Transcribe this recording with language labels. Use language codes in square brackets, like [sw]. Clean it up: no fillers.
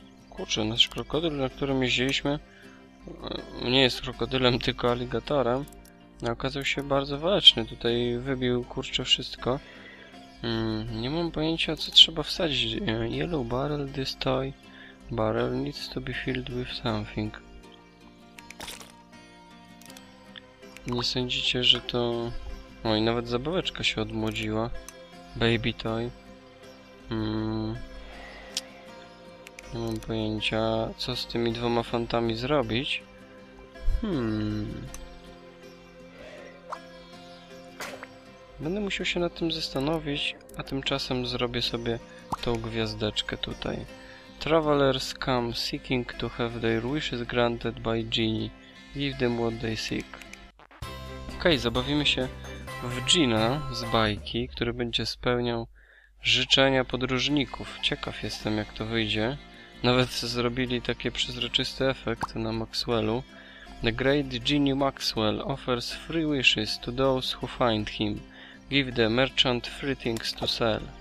[pl] Kurczę, nasz krokodyl, na którym jeździliśmy, nie jest krokodylem, tylko aligatorem. Okazał się bardzo waleczny. Tutaj wybił, kurczę, wszystko. Nie mam pojęcia, co trzeba wsadzić. [en] Yellow barrel, this toy barrel needs to be filled with something. [pl] Nie sądzicie, że to... O, i nawet zabaweczka się odmłodziła. [en] Baby toy. [pl] Nie mam pojęcia, co z tymi dwoma fantami zrobić. Będę musiał się nad tym zastanowić, a tymczasem zrobię sobie tą gwiazdeczkę tutaj. [en] Travelers come seeking to have their wishes granted by genie. Give them what they seek. [pl] Okej, zabawimy się w genie z bajki, który będzie spełniał życzenia podróżników. Ciekaw jestem, jak to wyjdzie. Nawet zrobili taki przezroczysty efekt na Maxwellu. [en] The great genie Maxwell offers free wishes to those who find him. Give the merchant free things to sell.